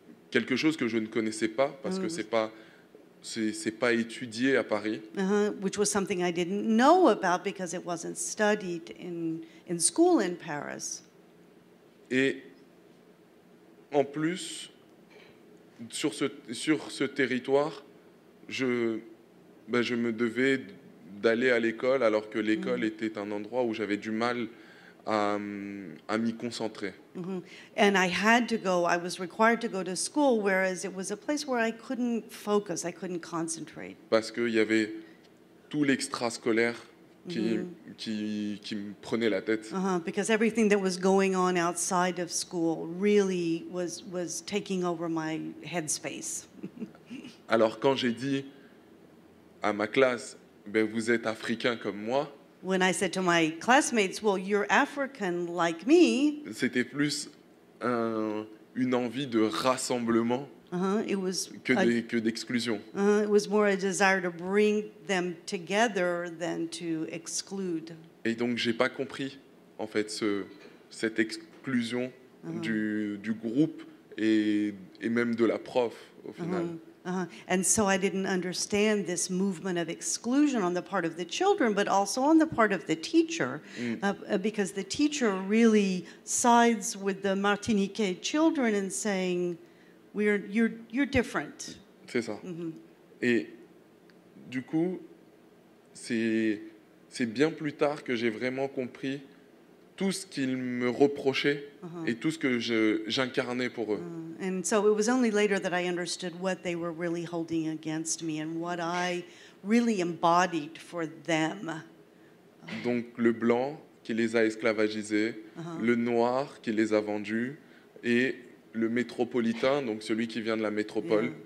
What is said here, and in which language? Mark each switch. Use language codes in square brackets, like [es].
[fr] Quelque chose que je ne connaissais pas parce que c'est pas étudié à Paris. Uh-huh. [en] Which was something I didn't know about because it wasn't studied in school in Paris. [fr] Et en plus, sur ce territoire, je me devais d'aller à l'école alors que l'école mm-hmm. était un endroit où j'avais du mal à m'y concentrer. [en] Mm-hmm. And I had to go, I was required to go to school, whereas it was a place where I couldn't focus, I couldn't concentrate. [fr] Parce qu'il y avait tout l'extrascolaire qui, mm-hmm. qui me prenait la tête. [en] Uh-huh, because everything that was going on outside of school really was taking over my headspace. [fr] Alors quand j'ai dit à ma classe, ben vous êtes africain comme moi. [en] When I said to my classmates, well, you're African like me. [fr] C'était plus une envie de rassemblement. [en] Uh-huh. It was [fr] que d'exclusion. [en] It was more a desire to bring them together than to exclude. [fr] Et donc j'ai pas compris en fait cette exclusion uh-huh. du groupe et même de la prof au final. Uh-huh. Uh-huh. [en] And so I didn't understand this movement of exclusion on the part of the children, but also on the part of the teacher, because the teacher really sides with the Martinique children and saying, you're different. [fr] C'est ça. Mm-hmm. Et du coup, c'est bien plus tard que j'ai vraiment compris tout ce qu'ils me reprochaient uh-huh. et tout ce que j'incarnais pour eux. [en] And so it was only later that I understood what they were really holding against me and what I really embodied for them. [fr] Donc le blanc qui les a esclavagisés, uh-huh. le noir qui les a vendus et le métropolitain, donc celui qui vient de la métropole, yeah.